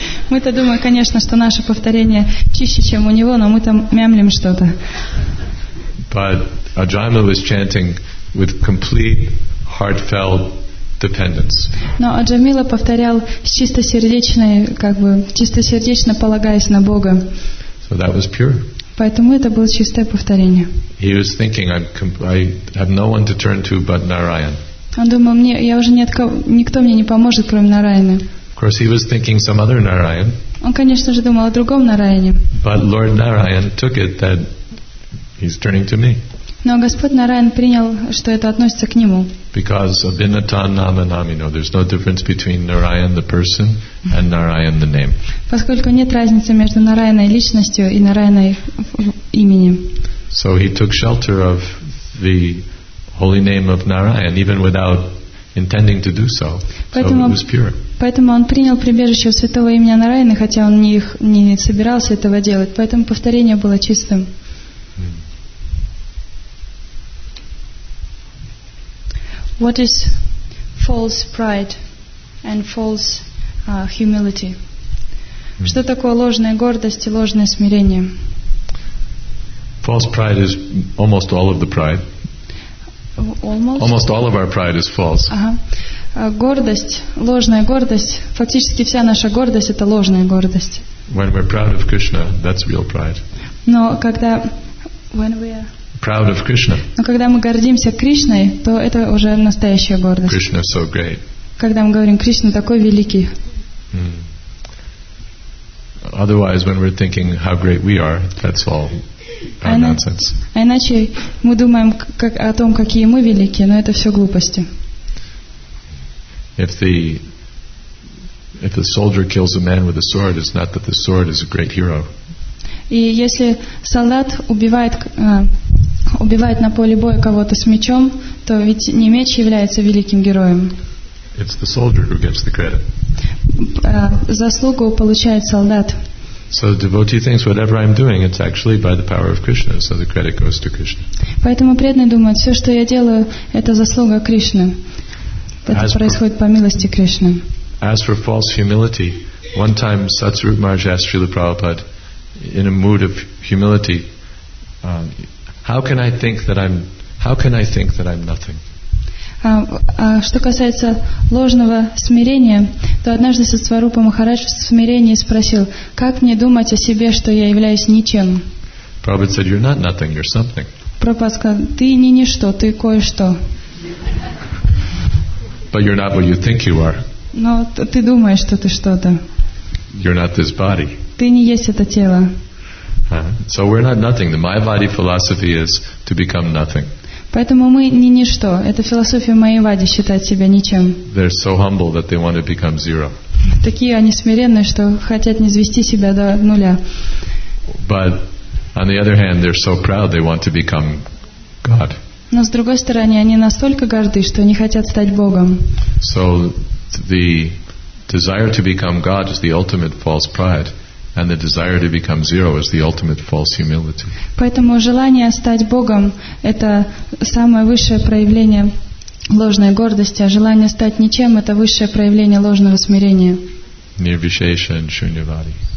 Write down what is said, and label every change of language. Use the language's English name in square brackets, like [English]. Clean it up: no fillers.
[Russian] Мы-то думаем, конечно, что наше повторение чище, чем у него, но мы там мямлим что-то. [English] But Ajayma was chanting with complete heartfelt dependence. [Russian] Но Аджамила повторял с чистосердечной, как бы чистосердечно полагаясь на Бога. [English] So that was pure. [Russian] Поэтому это было чистое повторение. [English] He was thinking, I have no one to turn to but Narayan. [Russian] Он думал, мне я уже ни от кого, никто мне не поможет, кроме Нараяны. [English] Of course, he was thinking some other Narayan. [Russian] Он, конечно же, думал о другом Нараяне. [English] But Lord Narayan took it that he's turning to me. [Russian] Но Господь Нараян принял, что это относится к нему. [English] Because [Sanskrit] abhinata nama namino, [English] there's no difference between Narayan the person and Narayan the name. [Russian] Поскольку нет разницы между Нараяной личностью и Нараяной именем. [English] So he took shelter of the holy name of Narayan even without intending to do so. [Russian] Поэтому, [English] so it was pure. [Russian] Поэтому он принял прибежище у святого имени Нараяны, хотя он не собирался этого делать. Поэтому повторение было чистым. [English] What is false pride and false humility? [Russian] Что такое ложная гордость и ложное смирение? [English] False pride is almost all of the pride. Almost all of our pride is false. [Russian] Гордость, ложная гордость, фактически вся наша гордость это ложная гордость. [English] When we're proud of Krishna, that's real pride. [Russian] Но когда [English] when we are proud of Krishna. [Russian] Но когда мы гордимся Кришной, то это уже настоящая гордость. [English] Krishna so great. [Russian] Когда мы говорим Кришна такой великий. [English] Otherwise, when we're thinking how great we are, that's all nonsense. [Russian] А иначе мы думаем как о том, какие мы великие, но это все глупости. [English] If the soldier kills a man with a sword, it's not that the sword is a great hero. [Russian] И если солдат убивает на поле боя кого-то с мечом, то ведь не меч является великим героем. [English] It's the soldier who gets the credit. [Russian] Заслугу получает солдат. [English] So the devotee thinks whatever I'm doing, it's actually by the power of Krishna, so the credit goes to Krishna. [Russian] Поэтому преданный думает, все, что я делаю, это заслуга Кришны. Это происходит по милости Кришны. [English] As for false humility, one time Satsarupa Maharaj asked Srila Prabhupada in a mood of humility, how can I think that I'm nothing? [Russian] Что касается ложного смирения, то однажды Сатсварупа Махарадж в смирении спросил, как мне думать о себе, что я являюсь ничем? [English] Prabhupada said, you're not nothing, you're something. [Russian] Прабхупада сказал, ты не ничто, ты кое-что. [English] But you're not what you think you are. [Russian] Но ты думаешь, что ты что-то. [English] You're not this body. [Russian] Ты не есть это тело. [English] So we're not nothing. The Mayavadi philosophy is to become nothing. [Russian] Поэтому мы не ничто. Это философия Майявади считать себя ничем. [English] They're so humble that they want to become zero. [Russian] Такие они смиренные, что хотят низвести себя до нуля. [English] But on the other hand, they're so proud they want to become God. [Russian] Но с другой стороны, они настолько горды, что не хотят стать Богом. [English] So the desire to become God is the ultimate false pride. And the desire to become zero is the ultimate false humility. [Russian] Поэтому желание стать Богом — это самое высшее проявление ложной гордости, а желание стать ничем — это высшее проявление ложного смирения. [English] Nirvishesha and Shunyavadi.